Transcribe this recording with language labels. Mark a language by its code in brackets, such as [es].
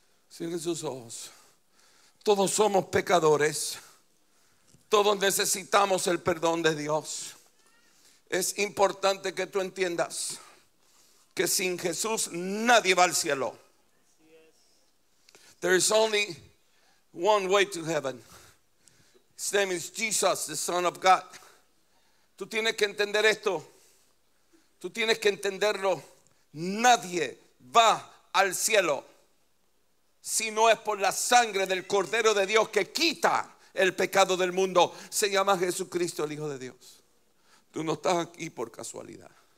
[es] Cierren sus ojos. Todos somos pecadores. Todos necesitamos el perdón de Dios. Es importante que tú entiendas que sin Jesús nadie va al cielo. [en] There is only one way to heaven. His name is Jesus, the Son of God. [es] Tú tienes que entender esto. Tú tienes que entenderlo. Nadie va al cielo si no es por la sangre del Cordero de Dios que quita el pecado del mundo. Se llama Jesucristo, el Hijo de Dios. Tú no estás aquí por casualidad.